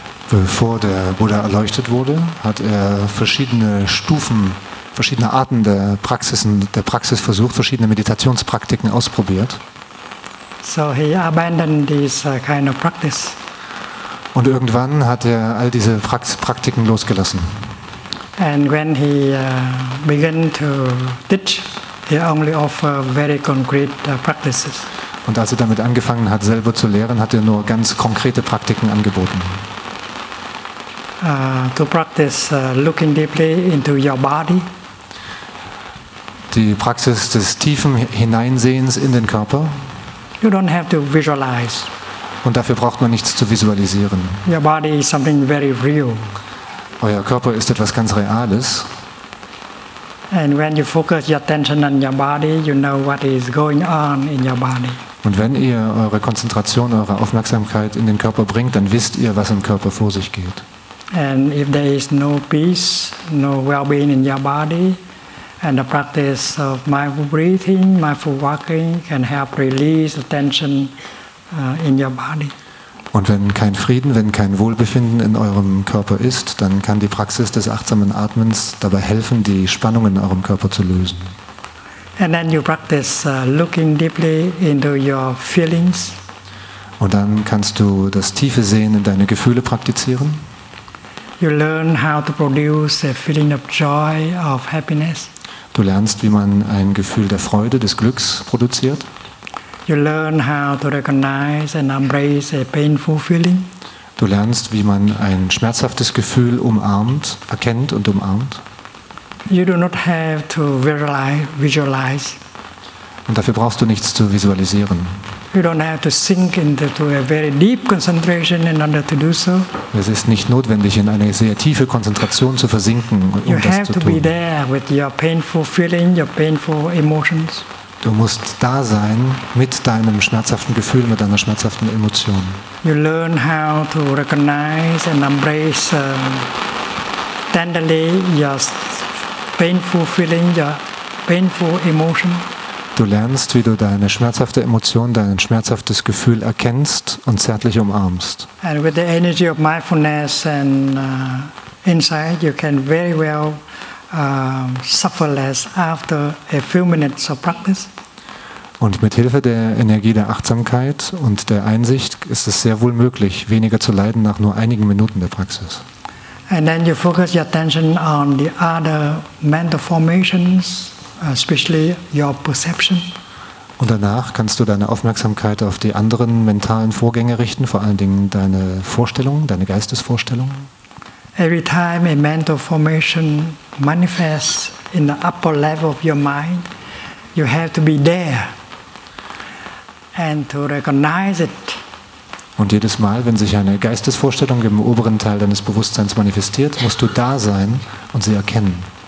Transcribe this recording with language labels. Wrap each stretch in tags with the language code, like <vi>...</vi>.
<de>Bevor der Buddha erleuchtet wurde, hat er verschiedene Stufen, verschiedene Arten der Praxis versucht, verschiedene Meditationspraktiken ausprobiert.</de> <en>So he abandoned this kind of practice.</en> <de>Und irgendwann hat er all diese Praktiken losgelassen.</de> <en>And when he began to teach, he only offered very concrete practices.</en> <de>Und als er damit angefangen hat, selber zu lehren, hat er nur ganz konkrete Praktiken angeboten.</de> <en>To practice looking deeply into your body.</en> <de>Die Praxis des tiefen Hineinsehens in den Körper.</de> <en>You don't have to visualize.</en> <de>Und dafür braucht man nichts zu visualisieren.</de> <en>Your body is something very real.</en> <de>Euer Körper ist etwas ganz Reales.</de> <en>And when you focus your attention on your body, you know what is going on in your body.</en> <de>Und wenn ihr eure Konzentration, eure Aufmerksamkeit in den Körper bringt, dann wisst ihr, was im Körper vor sich geht.</de> <en>And if there is no peace, no well-being in your body, and the practice of mindful breathing, mindful walking can help release the tension in your body.</en> <de>Und wenn kein Frieden, wenn kein Wohlbefinden in eurem Körper ist, dann kann die Praxis des achtsamen Atmens dabei helfen, die Spannungen in eurem Körper zu lösen.</de> <en>And then you practice looking deeply into your feelings.</en> <de>Und dann kannst du das tiefe Sehen in deine Gefühle praktizieren.</de> <en>You learn how to produce a feeling of joy, of happiness.</en> <de>Du lernst, wie man ein Gefühl der Freude, des Glücks produziert.</de> <en>You learn how to recognize and embrace a painful feeling.</en> <de>Du lernst, wie man ein schmerzhaftes Gefühl erkennt und umarmt.</de> <en>You do not have to visualize.</en> <de>Und dafür brauchst du nichts zu visualisieren.</de> <en>You don't have to sink into a very deep concentration in order to do so.</en> <de>Es ist nicht notwendig, in eine sehr tiefe Konzentration zu versinken, um</de> <en>you</en> <de>das zu tun.</de> <en>You have to be there with your painful feeling, your painful emotions.</en> <de>Du musst da sein mit deinem schmerzhaften Gefühl, mit deiner schmerzhaften Emotion.</de> <en>You learn how to recognize and embrace tenderly your painful feeling, your painful emotion.</en> <de>Du lernst, wie du deine schmerzhafte Emotion, dein schmerzhaftes Gefühl erkennst und zärtlich umarmst.</de> <en>And with the energy of mindfulness and insight, you can very well suffer less after a few minutes of practice.</en> <de>Und mit Hilfe der Energie der Achtsamkeit und der Einsicht ist es sehr wohl möglich, weniger zu leiden nach nur einigen Minuten der Praxis.</de> <en>And then you focus your attention on the other mental formations, especially your perception.</en> <de>Und danach kannst du deine Aufmerksamkeit auf die anderen mentalen Vorgänge richten, vor allen Dingen deine Vorstellung, deine Geistesvorstellung.</de> <en>Every time a mental formation manifests in the upper level of your mind, you have to be there and to recognize it.</en> <de>Und jedes Mal, wenn sich eine Geistesvorstellung im oberen Teil deines Bewusstseins manifestiert, musst du da sein und sie erkennen.</de>